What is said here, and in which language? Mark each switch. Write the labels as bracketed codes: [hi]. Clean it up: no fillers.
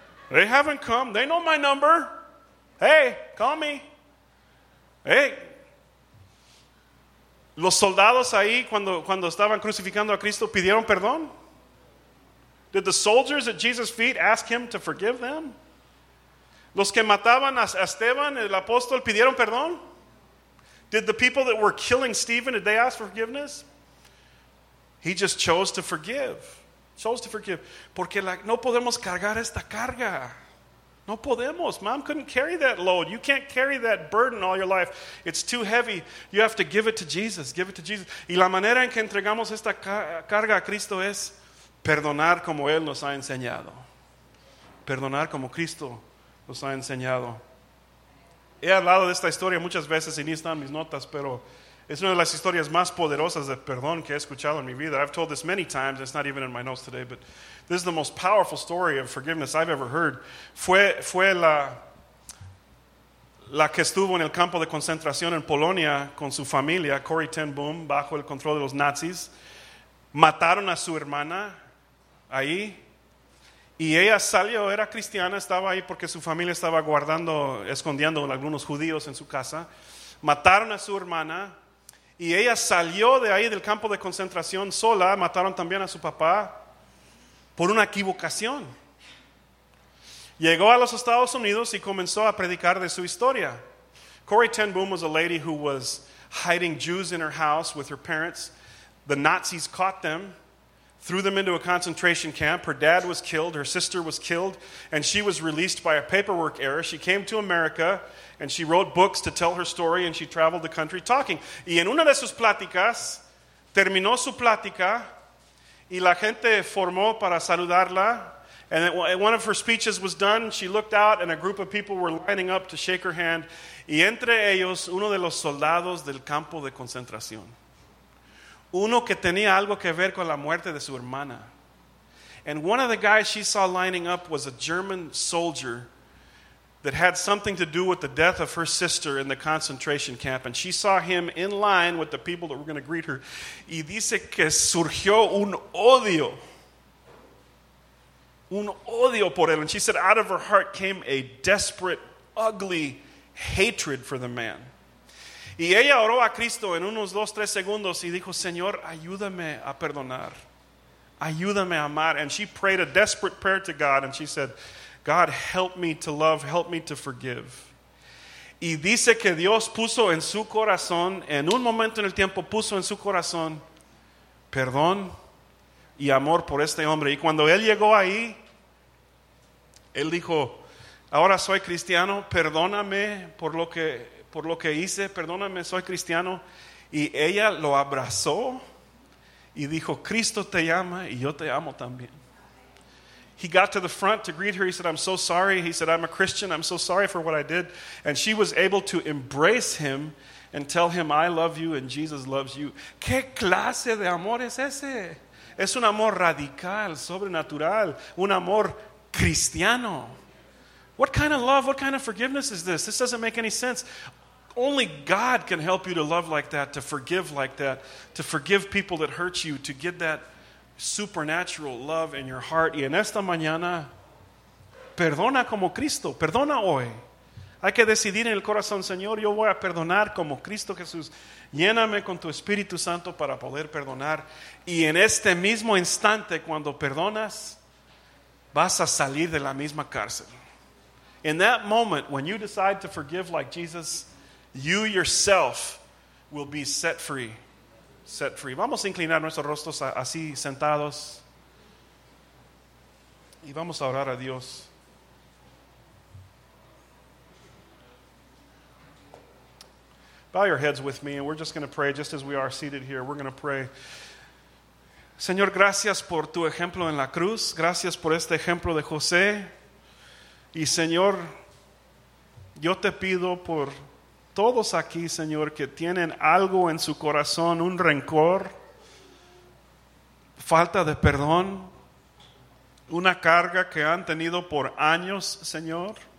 [en] They haven't come. They know my number. Hey, call me. Hey. [es] Los soldados ahí cuando estaban crucificando a Cristo pidieron perdón. [en] Did the soldiers at Jesus' feet ask him to forgive them? [es] Los que mataban a Esteban, el apóstol, pidieron perdón. [en] Did the people that were killing Stephen, did they ask for forgiveness? He just chose to forgive. Chose to forgive. [es] Porque no podemos cargar esta carga. No podemos. [en] Mom couldn't carry that load. You can't carry that burden all your life. It's too heavy. You have to give it to Jesus. Give it to Jesus. [es] Y la manera en que entregamos esta carga a Cristo es perdonar como Él nos ha enseñado. Perdonar como Cristo nos ha enseñado. He hablado de esta historia muchas veces y ni están mis notas, pero es una de las historias más poderosas de perdón que he escuchado en mi vida. [en] I've told this many times. It's not even in my notes today, but this is the most powerful story of forgiveness I've ever heard. [es] Fue la que estuvo en el campo de concentración en Polonia con su familia, Corrie ten Boom, bajo el control de los nazis. Mataron a su hermana ahí. Y ella salió, era cristiana, estaba ahí porque su familia estaba guardando, escondiendo a algunos judíos en su casa. Mataron a su hermana. Y ella salió de ahí del campo de concentración sola, mataron también a su papá por una equivocación. Llegó a los Estados Unidos y comenzó a predicar de su historia. [en] Corrie ten Boom was a lady who was hiding Jews in her house with her parents. The Nazis caught them, threw them into a concentration camp. Her dad was killed, her sister was killed, and she was released by a paperwork error. She came to America. And she wrote books to tell her story, and she traveled the country talking. [es] Y en una de sus pláticas, terminó su plática, y la gente formó para saludarla. [en] And one of her speeches was done. She looked out, and a group of people were lining up to shake her hand. [es] Y entre ellos, uno de los soldados del campo de concentración. Uno que tenía algo que ver con la muerte de su hermana. [en] And one of the guys she saw lining up was a German soldier that had something to do with the death of her sister in the concentration camp. And she saw him in line with the people that were going to greet her. [es] Y dice que surgió un odio por él. [en] And she said out of her heart came a desperate, ugly hatred for the man. [es] Y ella oró a Cristo en unos dos, tres segundos y dijo, Señor, ayúdame a perdonar. Ayúdame a amar. [en] And she prayed a desperate prayer to God and she said, God, help me to love, help me to forgive. [es] Y dice que Dios puso en su corazón, en un momento en el tiempo, puso en su corazón perdón y amor por este hombre. Y cuando él llegó ahí, él dijo, ahora soy cristiano, perdóname por lo que hice, perdóname, soy cristiano. Y ella lo abrazó y dijo, Cristo te ama y yo te amo también. [en] He got to the front to greet her. He said, I'm so sorry. He said, I'm a Christian. I'm so sorry for what I did. And she was able to embrace him and tell him, I love you and Jesus loves you. [es] ¿Qué clase de amor es ese? Es un amor radical, sobrenatural, un amor cristiano. [en] What kind of love, what kind of forgiveness is this? This doesn't make any sense. Only God can help you to love like that, to forgive people that hurt you, to get that supernatural love in your heart. [es] Y en esta mañana, perdona como Cristo, perdona hoy. Hay que decidir en el corazón, Señor, yo voy a perdonar como Cristo Jesús. Lléname con tu Espíritu Santo para poder perdonar. Y en este mismo instante, cuando perdonas, vas a salir de la misma cárcel. [en] In that moment, when you decide to forgive like Jesus, you yourself will be set free. Set free. [es] Vamos a inclinar nuestros rostros así, sentados. Y vamos a orar a Dios. [en] Bow your heads with me, and we're just going to pray just as we are seated here. We're going to pray. [es] Señor, gracias por tu ejemplo en la cruz. Gracias por este ejemplo de José. Y Señor, yo te pido por todos aquí, Señor, que tienen algo en su corazón, un rencor, falta de perdón, una carga que han tenido por años, Señor.